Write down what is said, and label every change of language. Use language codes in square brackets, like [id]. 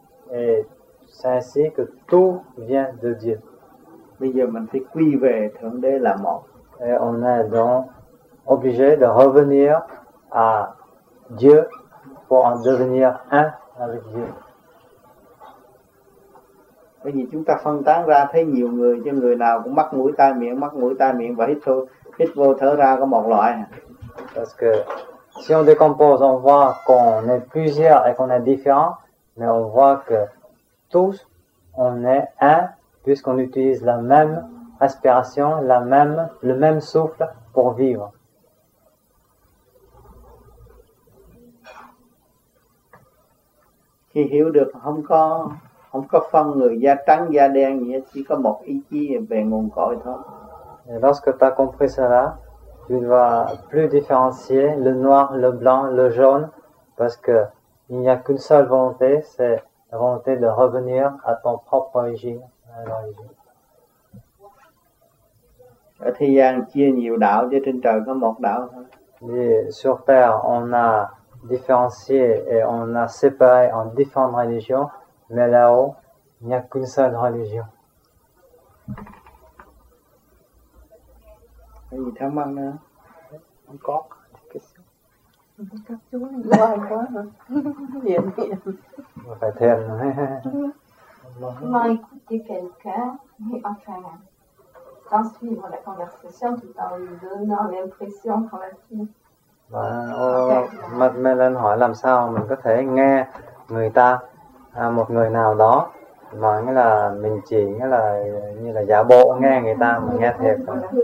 [fr] Et c'est ainsi que tout vient de Dieu. [vi] Bây giờ mình phải quy về Thượng Đế là một. [fr] Et on est donc obligé de revenir à Dieu pour en devenir un avec Dieu. [vi] Bởi vì chúng ta phân tán ra thấy nhiều người, chứ người nào cũng mắc mũi tai miệng và hít vô thở ra có một loại. [fr] Parce que si on décompose, on voit qu'on est plusieurs et qu'on est différents, mais on voit que tous, on est un, puisqu'on utilise la même respiration, la même, le même souffle pour vivre. [vi] Khi hiểu được không có... không có phân người da trắng da đen gì hết, chỉ có một ý chí về nguồn cội thôi. [fr] Et lorsque tu as compris cela, tu ne vas plus différencier le noir, le blanc, le jaune, parce que il n'y a qu'une seule volonté, c'est la volonté de revenir à ton propre origine. À l'origine. [vi] Ở thế gian chia nhiều đạo, chứ trên trời có một đạo thôi. [fr] Et sur Terre, on a différencié et on a séparé en différentes religions, mais là-haut, il n'y a qu'une seule religion. Vous êtes en manque, hein? Encore, des questions? Vous êtes en manque, hein? Bien, bien. Comment écouter quelqu'un, mais enfin, sans suivre la conversation tout en lui donnant l'impression qu'on la suit? [vi] Và mặt mê lên hỏi làm sao mình có thể nghe người ta một người nào đó mà nghĩa là mình chỉ nghĩa là như là giả bộ nghe người ta mà nghe thiệt không?